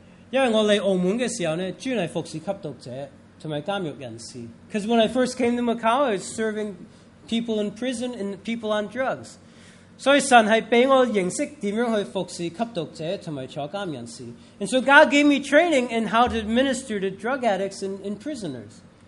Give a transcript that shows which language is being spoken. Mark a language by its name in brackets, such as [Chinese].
[Chinese] 因为我来澳门的时候,专门服侍吸毒者和监狱人士。 [English] Because when I first came to Macau, I was serving people in prison and people on drugs. [Chinese] 所以神是让我认识如何去服侍吸毒者和坐监人士。 [English] And so God gave me training in how to minister to drug addicts and prisoners.